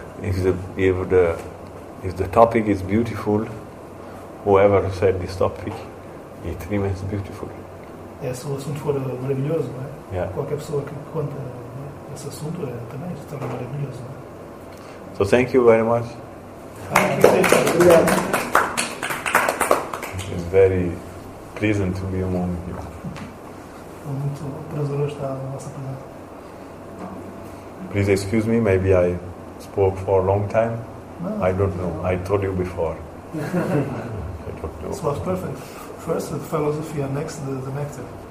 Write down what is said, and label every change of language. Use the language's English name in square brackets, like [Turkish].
[English] If the topic is beautiful, whoever said this topic, it remains beautiful. [Portuguese] É, se o assunto for maravilhoso, não é? [English] Yeah. [Portuguese] Qualquer pessoa que conta esse assunto também se torna maravilhoso, não é? [English] So thank you very much. Thank you. [Portuguese] Obrigado. [English] It's very pleasant to be among you. [Portuguese] É muito prazeroso estar na vossa presença. [English] Please excuse me, maybe I spoke for a long time. No, I don't know. I told you before. I don't know. This was perfect. First the philosophy and next the nectar.